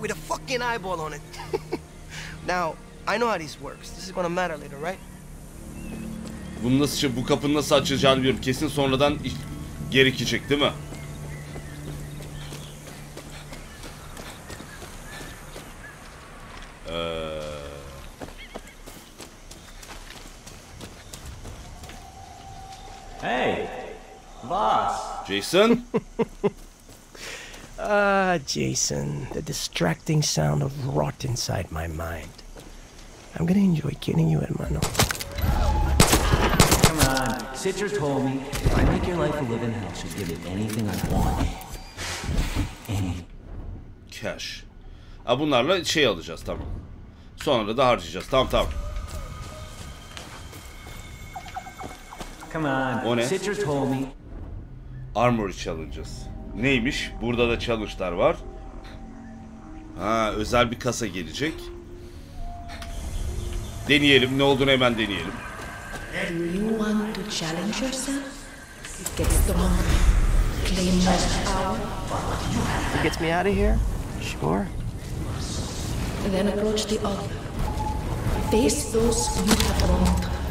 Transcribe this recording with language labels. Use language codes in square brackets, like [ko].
[en] With a fucking eyeball on it. Now, I know how this works. This is gonna matter later, right? [tr] Bunu nasıl bu kapının nasıl açılacağını biliyorum. Kesin sonradan gerekecek değil mi? [en] Hey, boss. Jason? Jason, the distracting sound of rot inside my mind. I'm gonna enjoy getting you, hermano. Sitcher told me, if I make your life a living hell, she'll give it anything I want. Any. Cash. [tr] Ha, bunlarla şey alacağız, tamam. Sonra da harcayacağız, tamam. [en] Come on. [tr] O ne? [en] Sitcher told me. Armory challenges. [tr] Neymiş? Burada da challenge'lar var. Ha, özel bir kasa gelecek. Deneyelim, ne olduğunu hemen deneyelim. [en] Do you want to challenge yourself? Get the money. Claim that power. Gets me out of here? Sure. Then approach the other. Face those you have wronged.